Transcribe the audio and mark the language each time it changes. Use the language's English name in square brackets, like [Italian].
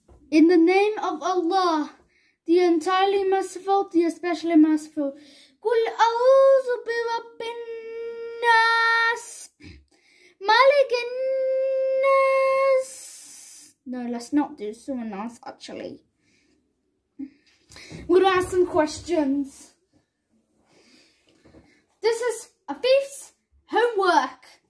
[English] In the name of Allah, the entirely merciful, the especially merciful. [Arabic] قل أعوذ برب الناس مالك الناس. [English] No, let's not do someone else actually. We're gonna ask some questions. This is a thief's homework.